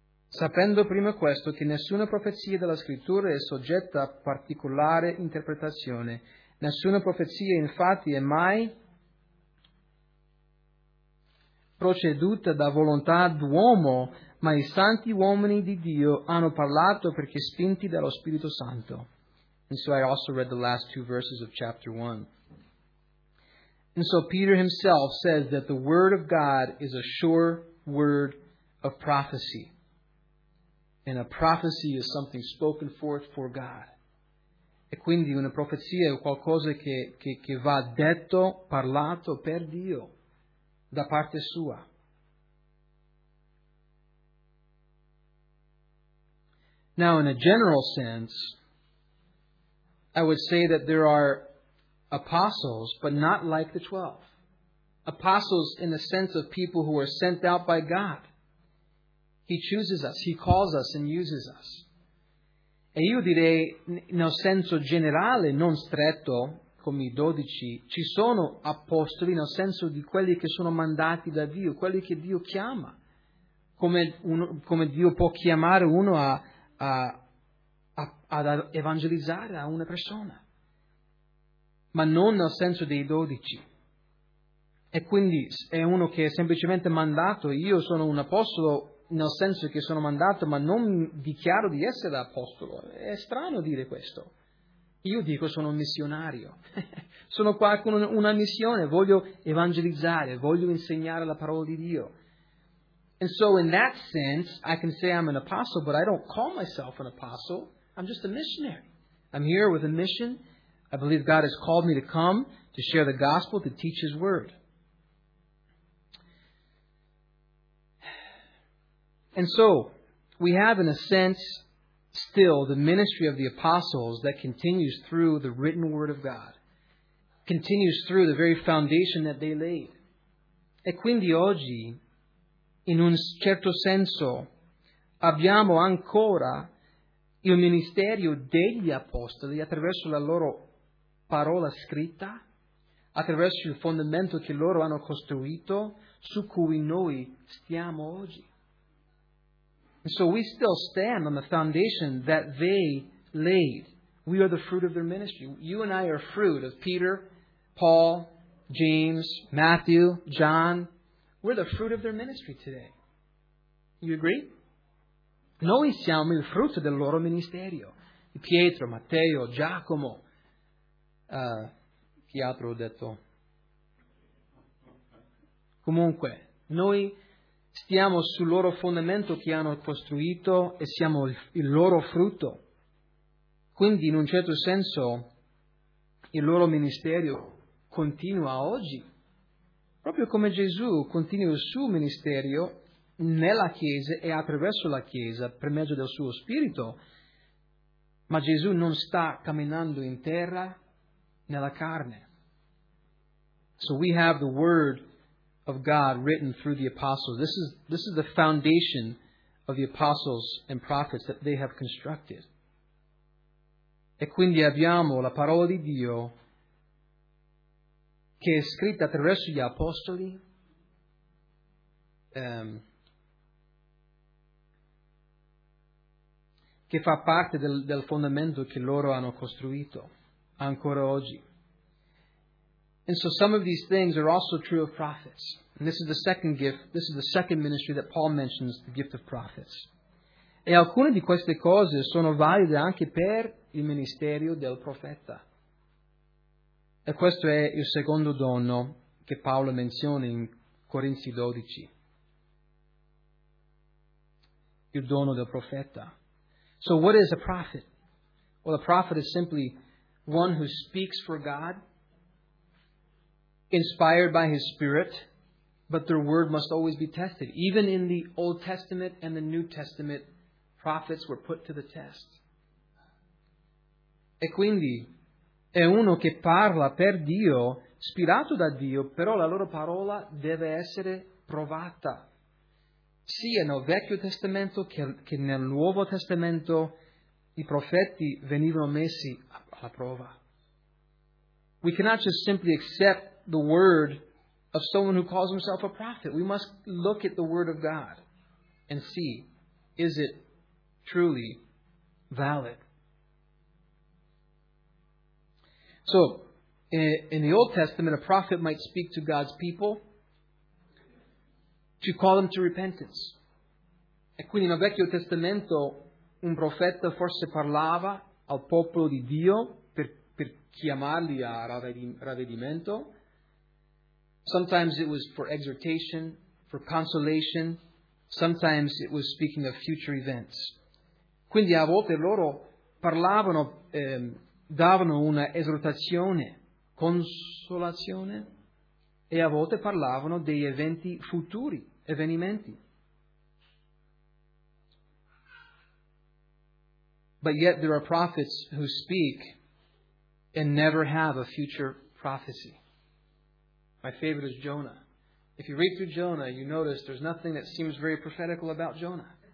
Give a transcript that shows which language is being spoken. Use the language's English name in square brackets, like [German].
[Italian] Sapendo prima questo, che nessuna profezia della Scrittura è soggetta a particolare interpretazione, nessuna profezia infatti è mai proceduta da volontà d'uomo, ma i santi uomini di Dio hanno parlato perché spinti dallo Spirito Santo. [English] And so I also read the last two verses of chapter 1. And so Peter himself says that the word of God is a sure word of prophecy. And a prophecy is something spoken forth for God. [Italian] E quindi una profezia è qualcosa che va detto, parlato per Dio, da parte sua. [English] Now, in a general sense, I would say that there are apostles, but not like the 12. Apostles in the sense of people who are sent out by God. He chooses us, he calls us and uses us. [Italian] E io direi, nel senso generale, non stretto, come i dodici, ci sono apostoli nel senso di quelli che sono mandati da Dio, quelli che Dio chiama, come Dio può chiamare uno ad evangelizzare a una persona, ma non nel senso dei dodici. E quindi è uno che è semplicemente mandato. Io sono un apostolo nel senso che sono mandato, ma non dichiaro di essere apostolo. È strano dire questo. Io dico sono un missionario. Sono qua con una missione, voglio evangelizzare, voglio insegnare la parola di Dio. [English] And so in that sense, I can say I'm an apostle, but I don't call myself an apostle. I'm just a missionary. I'm here with a mission. I believe God has called me to come to share the gospel, to teach his word. And so, we have in a sense still the ministry of the apostles that continues through the written word of God, continues through the very foundation that they laid. [Italian] E quindi oggi, in un certo senso, abbiamo ancora il ministerio degli apostoli attraverso la loro parola scritta, attraverso il fondamento che loro hanno costruito, su cui noi stiamo oggi. [English] And so we still stand on the foundation that they laid. We are the fruit of their ministry. You and I are fruit of Peter, Paul, James, Matthew, John. We're the fruit of their ministry today. You agree? [Italian] Noi siamo il frutto del loro ministerio. Pietro, Matteo, Giacomo. Chi altro ho detto? Comunque, noi stiamo sul loro fondamento che hanno costruito e siamo il loro frutto. Quindi, in un certo senso, il loro ministerio continua oggi. Proprio come Gesù continua il suo ministerio nella Chiesa e attraverso la Chiesa, per mezzo del suo Spirito. Ma Gesù non sta camminando in terra nella carne. [English] So we have the word of God written through the apostles. This is the foundation of the apostles and prophets that they have constructed. [Italian] E quindi abbiamo la parola di Dio che è scritta attraverso gli apostoli. Che fa parte del fondamento che loro hanno costruito ancora oggi. [English] And so some of these things are also true of prophets. And this is the second gift, this is the second ministry that Paul mentions, the gift of prophets. [Italian] E alcune di queste cose sono valide anche per il ministerio del profeta. E questo è il secondo dono che Paolo menziona in Corinzi 12. Il dono del profeta. [English] So what is a prophet? Well, a prophet is simply one who speaks for God, inspired by his spirit, but their word must always be tested. Even in the Old Testament and the New Testament, prophets were put to the test. [Italian] E quindi è uno che parla per Dio, ispirato da Dio, però la loro parola deve essere provata. sia nel Vecchio Testamento che nel Nuovo Testamento i profeti venivano messi alla prova. [English] We cannot just simply accept the word of someone who calls himself a prophet. We must look at the word of God and see, is it truly valid? So, in the Old Testament, a prophet might speak to God's people to call them to repentance. [Italian] E quindi nel Vecchio Testamento un profeta forse parlava al popolo di Dio per chiamarli a ravvedimento. [English] Sometimes it was for exhortation, for consolation. Sometimes it was speaking of future events. [Italian] Quindi a volte loro parlavano, davano una esortazione, consolazione, e a volte parlavano dei eventi futuri, avvenimenti. [English] But yet there are prophets who speak and never have a future prophecy. My favorite is Jonah. If you read through Jonah, you notice there's nothing that seems very prophetical about Jonah.